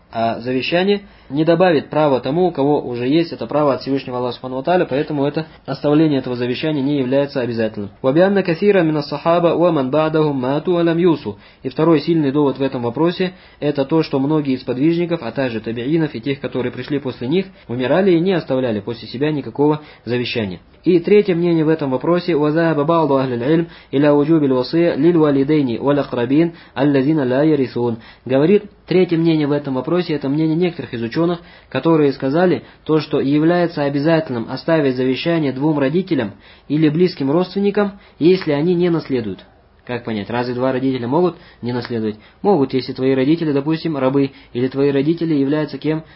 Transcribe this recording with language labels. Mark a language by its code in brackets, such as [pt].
[ru] А завещание не добавит права тому, у кого уже есть это право от Всевышнего Аллаха Субхану ва Тааля, поэтому это оставление этого завещания не является обязательным. [ar] وَبِأَنَّ كَثِيرًا مِنَ الصَّحَابَةِ وَمَنْ بَعْدَهُمْ مَاتُوا وَلَمْ يُوصُوا. [ru] И второй сильный довод в этом вопросе – это то, что многие из подвижников, а также табиинов и тех, которые пришли после них, умирали и не оставляли после себя никакого завещания. И третье мнение в этом вопросе [ar] – وَذَهَبَ بَعْضُ أَهْلِ الْعِلْمِ إِلَى وُجُوبِ الْوَصِيَّةِ لِلْوَالِدَيْنِ وَالْأَقْرَبِينَ الَّذِينَ لَا يَرِثُونَ. [ru] Говорит, третье мнение в этом вопросе – это мнение некоторых из ученых, которые сказали то, что является обязательным оставить завещание двум родителям или близким родственникам, если они не наследуют. Как понять, разве два родителя могут не наследовать? Могут, если твои родители, допустим, рабы, или твои родители являются кем?